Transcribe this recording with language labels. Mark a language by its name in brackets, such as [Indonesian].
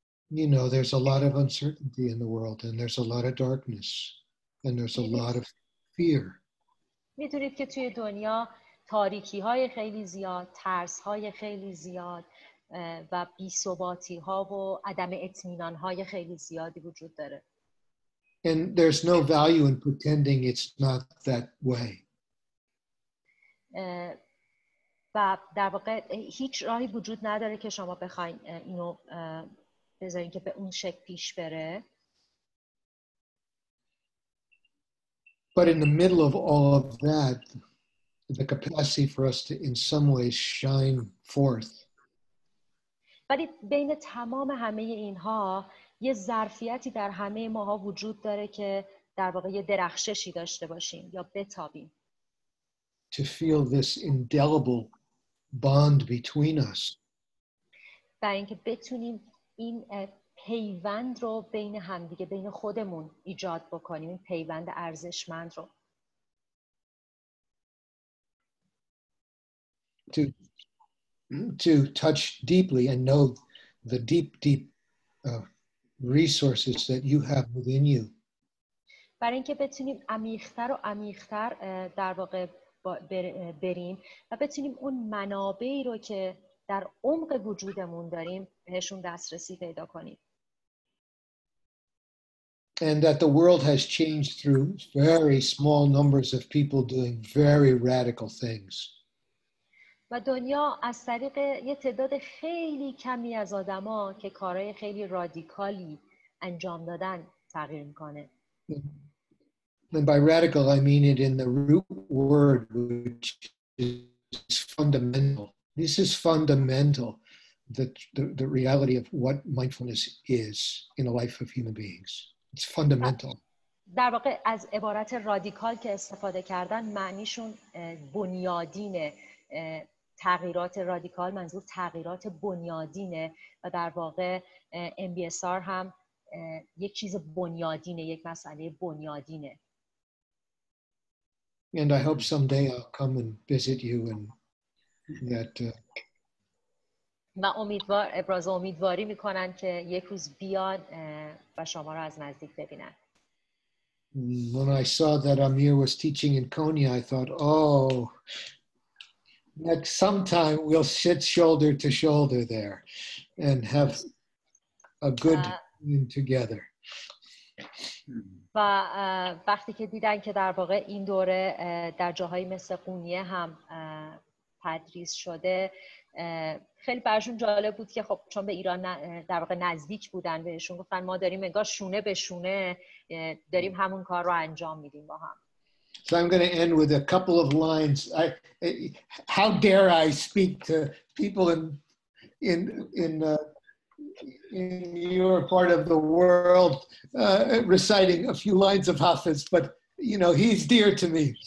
[English] You know, there's a lot of uncertainty in the world, and there's a lot of darkness, and there's a lot of fear. [Persian] می‌دونید که توی دنیا تاریکی‌های خیلی زیاد، ترس‌های خیلی زیاد و بی‌ثباتی‌ها و عدم اطمینان‌های خیلی زیادی وجود داره. [English] And there's no value in pretending it's not that way. [Persian] و در واقع هیچ راهی وجود نداره که شما بخواید اینو بذارین که به اون شکل پیش بره. [English] But in the middle of all of that, the capacity for us to in some ways shine forth. [Persian] ولی بین تمام همه اینها یه ظرفیتی در همه ماها وجود داره که در واقع یه درخششی داشته باشیم یا بتابیم. [English] To feel this indelible bond between us. [Persian] برای اینکه بتونیم این پیوند رو بین همدیگه، بین خودمون ایجاد بکنیم، این پیوند ارزشمند رو. [English] To touch deeply and know the deep resources that you have within you. [Persian] برای اینکه بتونیم عمیق‌تر و عمیق‌تر در واقع بریم و بتونیم اون منابعی رو که در عمق وجودمون داریم بهشون دسترسی پیدا کنیم. [English] And that the world has changed through very small numbers of people doing very radical things. [Persian] و دنیا از طریق یه تعداد خیلی کمی از آدما که کارهای خیلی رادیکالی انجام دادن تغییر میکنه. [English] And by radical, I mean it in the root word, which is fundamental. This is fundamental, the reality of what mindfulness is in the life of human beings. It's fundamental. [Persian] در واقع از عبارت رادیکال که استفاده کردن، معنیشون بنیادینه. تغییرات رادیکال منظور تغییرات بنیادینه. و در واقع MBSR هم یک چیز بنیادینه، یک مسئله بنیادینه. [English] And I hope someday I'll come and visit you and that. [Persian] ابراز امیدواری میکنن که یک روز بیان و شما را از نزدیک ببینن. [English] When I saw that Amir was teaching in Konya, I thought, that sometime we'll sit shoulder to shoulder there and have a good time together. [Persian] و وقتی که دیدن که در واقع این دوره در جاهایی مثل قونیه هم تدریس شده، خیلی برشون جالب بود که خب چون به ایران در واقع نزدیک بودن بهشون گفتن ما داریم انگار شونه به شونه داریم همون کار رو انجام میدیم با هم. [English] So I'm going to end with a couple of lines. How dare I speak to people in your part of the world reciting a few lines of Hafiz, but you know, he's dear to me.